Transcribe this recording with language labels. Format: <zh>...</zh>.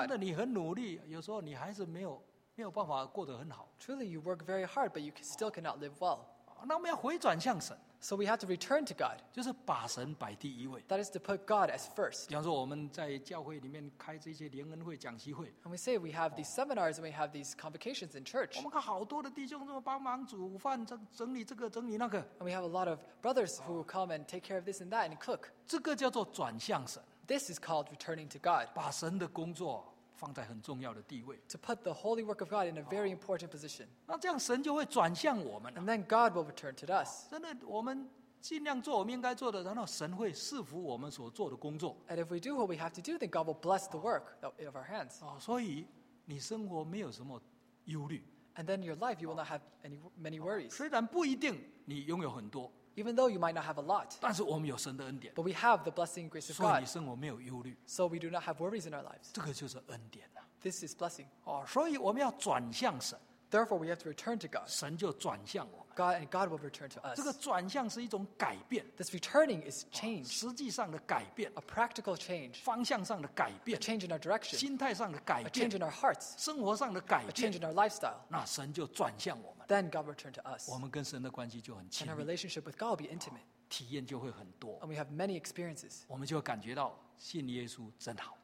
<zh>真的你很努力, 有时候你还是没有, 没有办法过得很好,</zh> <en>truly, you work very hard, but you still cannot live well.</en> <zh>那我们要回转向神,</zh> <en>so we have to return to God.</en> <zh>就是把神摆第一位,</zh> <en>that is to put God as first.</en> <zh>比方说我们在教会里面开这些联恩会讲习会,</zh> <en>and we say we have these seminars and we have these convocations in church.</en> <zh>我们看好多的弟兄这么帮忙煮饭,整理这个,整理那个,</zh> <en>and we have a lot of brothers who come and take care of this and that and cook.</en> <zh>这个叫做转向神,</zh> <en>this is called returning to God.</en> <zh>把神的工作, 放在很重要的地位,</zh> <en>to put the holy work of God in a very important position.</en> <zh>那这样神就会转向我们,</zh> <en>and then God will return to us.</en> <zh>真的我们尽量做我们应该做的, 然后神会赐福我们所做的工作,</zh> <en>and if we do what we have to do, then God will bless the work of our hands.</en> <zh>所以你生活没有什么忧虑,</zh> <en>and then in your life you will not have many worries.</en> <zh>虽然不一定你拥有很多,</zh> <en>even though you might not have a lot,</en> <zh>但是我们有神的恩典,</zh> <en>but we have the blessing and grace of God.</en> <zh>所以你生活没有忧虑,</zh> <en>so we do not have worries in our lives.</en> <zh>这个就是恩典啊,</zh> <en>this is blessing.</en> <zh>哦, 所以我们要转向神,</zh> <en>therefore, we have to return to God.</en> <zh>神就转向我们,</zh> <en>God, and God will return to us.</en> <zh>这个转向是一种改变,</zh> <en>this returning is change.</en> <zh>实际上的改变,</zh> <en>a practical change.</en> <zh>方向上的改变,</zh> <en>a change in our direction.</en> <zh>心态上的改变,</zh> <en>a change in our hearts.</en> <zh>生活上的改变,</zh> <en>a change in our lifestyle.</en> <zh>那神就转向我们,</zh> <en>then God will turn to us.</en> <zh>我们跟神的关系就很亲密,</zh> <en>and our relationship with God will be intimate.</en> <zh>体验就会很多,</zh> <en>and we have many experiences.</en> <zh>我们就感觉到信耶稣真好,</zh>